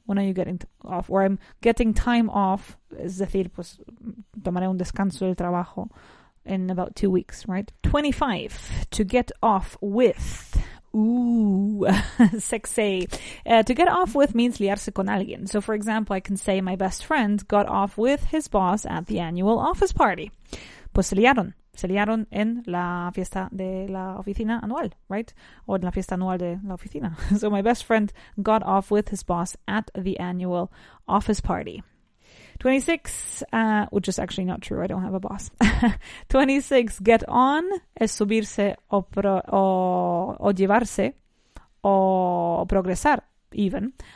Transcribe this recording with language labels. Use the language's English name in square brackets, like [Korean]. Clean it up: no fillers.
[English] When are you getting off? Or I'm getting time off, [Spanish] es decir, pues tomaré un descanso del trabajo [English] in about 2 weeks, right? 25, to get off with. Ooh, sexy. To get off with means [Spanish] liarse con alguien. [English] So for example, I can say my best friend got off with his boss at the annual office party. [Spanish] Pues se liaron. Se liaron en la fiesta de la oficina anual, right? O en la fiesta anual de la oficina. [English] So my best friend got off with his boss at the annual office party. 26, which is actually not true. I don't have a boss. 26, get on [Spanish] es subirse o llevarse o progresar [English] even.